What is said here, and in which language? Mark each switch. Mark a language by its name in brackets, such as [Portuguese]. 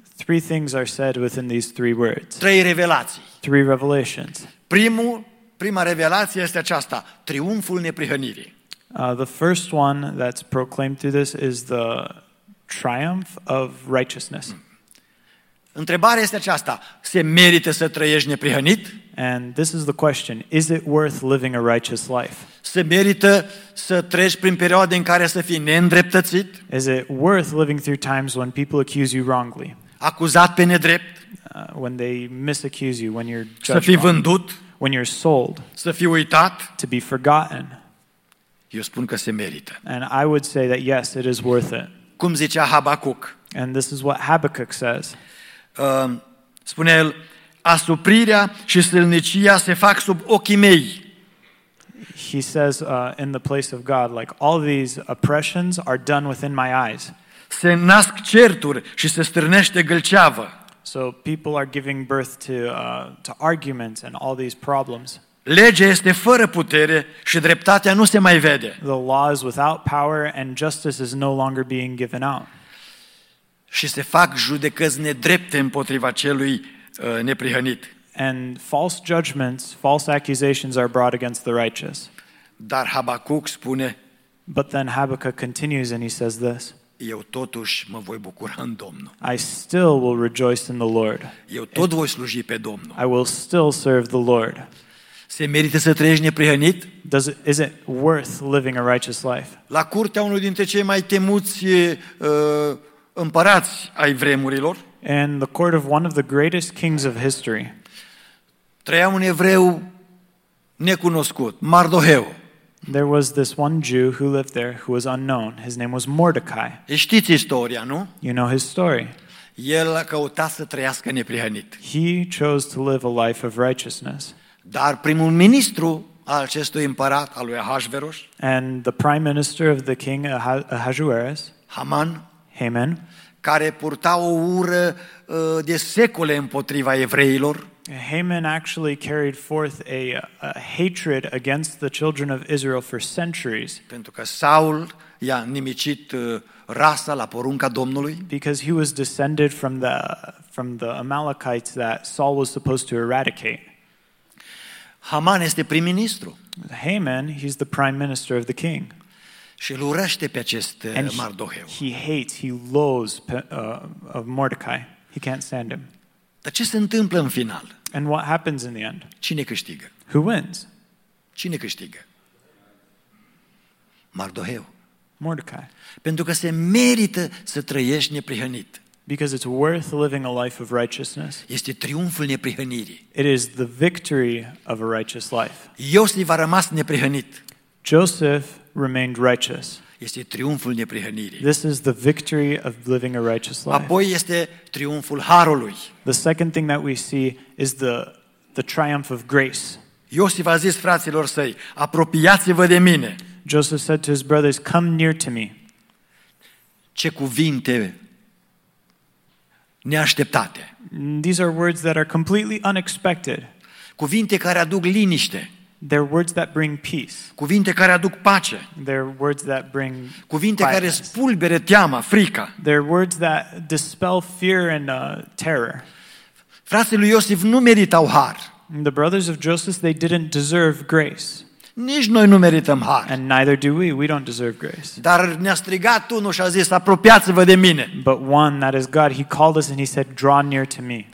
[English] Three things are said within these three words. [Romanian] Trei revelații. [English] Three revelations. [Romanian] Prima revelație este aceasta, triumful neprihănirii. [English] The first one that's proclaimed through this is the triumph of righteousness. [Romanian] Întrebarea este aceasta, se merită să trăiești neprihănit? [English] And this is the question, is it worth living a righteous life? [Romanian] Se merită să treci prin perioade în care să fii neîndreptățit? [English] Is it worth living through times when people accuse you wrongly? [Romanian] Acuzat pe nedrept? [English] When they misaccuse you, when you're judged. [Romanian] Să fii vândut? [English] When you're sold. [Romanian] Să fii uitat? [English] To be forgotten. [Romanian] Eu spun că se merită. [English] And I would say that yes, it is worth it. [Romanian] Cum zicea Habacuc? [English] And this is what Habakkuk says. [Romanian] Spune el, asuprirea și strălnicia se fac sub ochii mei. [English] He says in the place of God, like all these oppressions are done within my eyes. [Romanian] Se nasc certuri și se strânește gâlceavă. [English] So people are giving birth to arguments and all these problems. [Romanian] Legea este fără putere și dreptatea nu se mai vede. [English] The law is without power and justice is no longer being given out. [Romanian] Și se fac judecăți nedrepte împotriva celui neprihănit. [English] And false judgments, false accusations are brought against the righteous. [Romanian] Dar Habacuc spune, [English] but then Habakkuk continues and he says this. [Romanian] Eu totuși mă voi bucura în Domnul. [English] I still will rejoice in the Lord. [Romanian] Eu tot voi sluji pe Domnul. [English] I will still serve the Lord. [Romanian] Se merită să trăiești neprihănit? [English] Is it worth living a righteous life? [Romanian] La curtea unui dintre cei mai temuți împărați ai vremurilor. [English] In the court of one of the greatest kings of history. [Romanian] Trăia un evreu necunoscut, Mardoheu. [English] There was this one Jew who lived there who was unknown. His name was Mordecai. [Romanian] Știți istoria, nu? [English] You know his story. [Romanian] El a căutat să trăiască neprihănit. [English] He chose to live a life of righteousness. [Romanian] Dar primul ministru al acestui împărat, al lui Ahasuerus, [English] and the prime minister of the king Ahasuerus, [Romanian] Haman, care purta o ură de secole împotriva evreilor. [English] Haman actually carried forth a hatred against the children of Israel for centuries. [Romanian] Pentru că Saul i-a nimicit rasa la porunca Domnului. [English] Because he was descended from the Amalekites that Saul was supposed to eradicate. [Romanian] Haman este prim-ministru. [English] Haman, he's the prime minister of the king. [Romanian] Și îl urăște pe acest Mardoheu. [English] He loathes Mordecai. He can't stand him. [Romanian] Dar ce se întâmplă în final? [English] And what happens in the end? [Romanian] Cine câștigă? [English] Who wins? [Romanian] Cine câștigă? Mardoheu. [English] Mordecai. [Romanian] Pentru că se merită să trăiești neprihănit. [English] Because it's worth living a life of righteousness. [Romanian] Este triumful neprihănirii. [English] It is the victory of a righteous life. [Romanian] Iosif a rămas neprihănit. [English] Joseph remained righteous. [Romanian] Este triumful neprihănirii. [English] This is the victory of living a righteous life. [Romanian] Apoi este triumful harului. [English] The second thing that we see is the triumph of grace. [Romanian] Iosif a zis fraților săi, apropiați-vă de mine. [English] Joseph said to his brothers, come near to me. [Romanian] Ce cuvinte neașteptate. [English] These are words that are completely unexpected. [Romanian] Cuvinte care aduc liniște. [English] They're words that bring peace. [Romanian] Cuvinte care aduc pace. [English] They're words that bring [Romanian] cuvinte care spulbere teama, frica. [English] They're words that dispel fear and terror. [Romanian] Fratele lui Iosif nu meritau har. [English] The brothers of Joseph, they didn't deserve grace. [Romanian] Nici noi nu merităm har. [English] And neither do we. We don't deserve grace. [Romanian] Dar ne-a strigat unul și a zis: apropiați-vă de mine. [English] But one, that is God, he called us and he said, draw near to me.